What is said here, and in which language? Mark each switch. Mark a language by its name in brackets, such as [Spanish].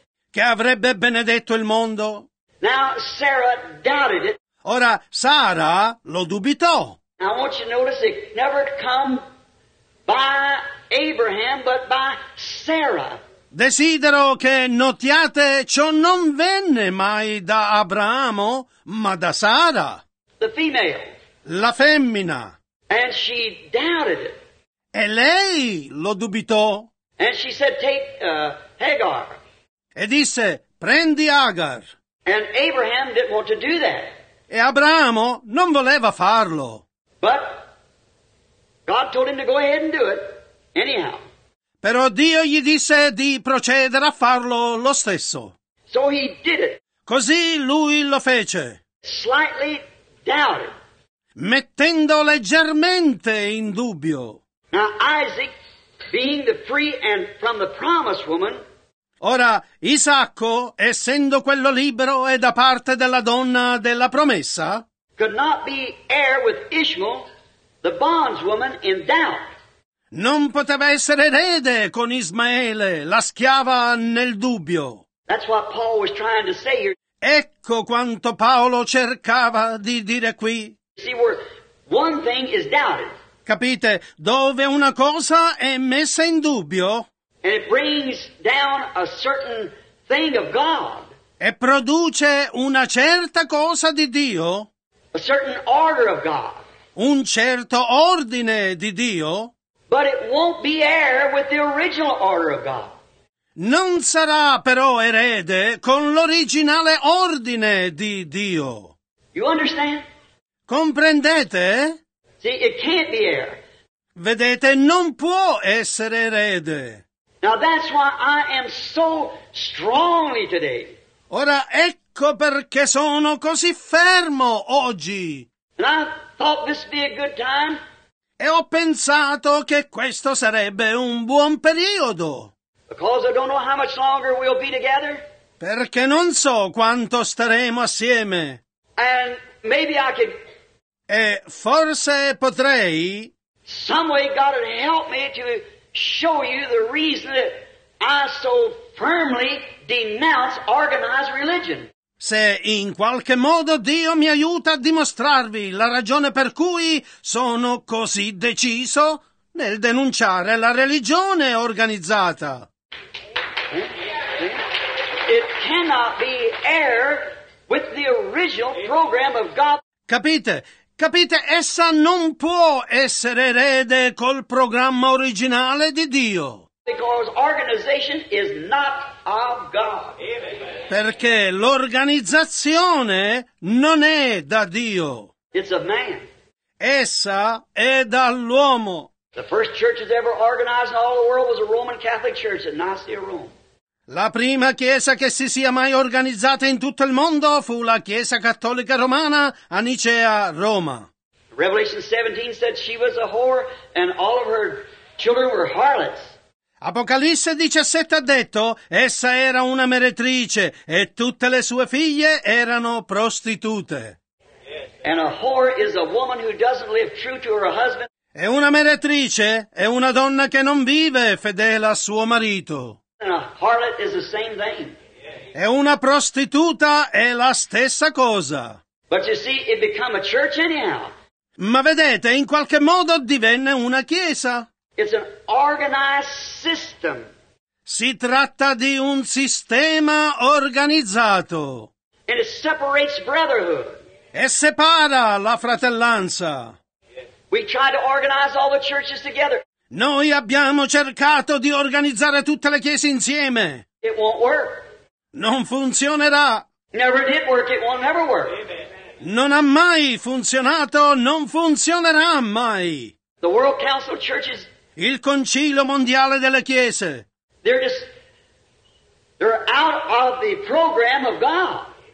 [Italian] che avrebbe benedetto il mondo, [English] now Sarah doubted it. [Italian] Ora Sara lo dubitò. [English] I want you to notice it never come by Abraham, but by Sarah. [Italian] Desidero che notiate ciò non venne mai da Abramo, ma da Sara. [English] The female. [Italian] La femmina. [English] And she doubted it. [Italian] E lei lo dubitò. [English] And she said, take Hagar. [Italian] E disse, prendi Agar. [English] And Abraham didn't want to do that. [Italian] E Abramo non voleva farlo. [English] But God told him to go ahead and do it anyhow. [Italian] Però Dio gli disse di procedere a farlo lo stesso. [English] So he did it. [Italian] Così lui lo fece. [English] Slightly doubted. [Italian] Mettendo leggermente in dubbio. [English] Now Isaac, being the free and from the promised woman, [Italian] ora Isacco, essendo quello libero e da parte della donna della promessa, [English] could not be heir with Ishmael, the bondswoman, in doubt. [Italian] Non poteva essere erede con Ismaele, la schiava nel dubbio. [English] That's what Paul was trying to say here. [Italian] Ecco quanto Paolo cercava di dire qui. [English] See, where one thing is doubted. [Italian] Capite, dove una cosa è messa in dubbio, [English] and it brings down a certain thing of God, [Italian] e produce una certa cosa di Dio, [English] a certain order of God, [Italian] un certo ordine di Dio, [English] but it won't be heir with the original order of God. [Italian] Non sarà però erede con l'originale ordine di Dio. [English] You understand? [Italian] Comprendete? [English] See, it can't be heir. [Italian] Vedete, non può essere erede. [English] Now that's why I am so strongly today. [Italian] Ora ecco perché sono così fermo oggi. [English] And I thought this would be a good time. [Italian] E ho pensato che questo sarebbe un buon periodo. [English] Because I don't know how much longer we'll be together. [Italian] Perché non so quanto staremo assieme. [English] And maybe I could. [Italian] E forse potrei. [English] Some way God would help me to show you the reason that I so firmly denounce organized religion. [Italian] Se in qualche modo Dio mi aiuta a dimostrarvi la ragione per cui sono così deciso nel denunciare la religione organizzata. [English] It cannot be heir with the original program of God. [Italian] Capite? Capite, essa non può essere erede col programma originale di Dio. [English] Because organization is not of God. [Italian] Perché l'organizzazione non è da Dio. [English] It's a man. [Italian] Essa è dall'uomo. [English] The first church that ever organized in all the world was a Roman Catholic church at Nicaea, Rome. [Italian] La prima chiesa che si sia mai organizzata in tutto il mondo fu la Chiesa Cattolica Romana a Nicea, Roma. [English] Revelation 17 said she was a whore and all of her children were harlots. [Italian] Apocalisse 17 ha detto: essa era una meretrice e tutte le sue figlie erano prostitute. [English] And a whore is a woman who doesn't live true to her husband. [Italian] E una meretrice è una donna che non vive fedele a suo marito. [English] And a harlot is the same thing. [Italian] E una prostituta è la stessa cosa. [English] But you see, it became a church anyhow. [Italian] Ma vedete, in qualche modo divenne una chiesa. [English] It's an organized system. [Italian] Si tratta di un sistema organizzato. [English] And it separates brotherhood. [Italian] E separa la fratellanza. [English] We tried to organize all the churches together. [Italian] Noi abbiamo cercato di organizzare tutte le chiese insieme. [English] It won't work. [Italian] Non funzionerà. [English] Never did work, it won't never work. [Italian] Non ha mai funzionato, non funzionerà mai. [English] The World Council of Churches, [Italian] il Concilio Mondiale delle Chiese, [English] they're out of the program of God.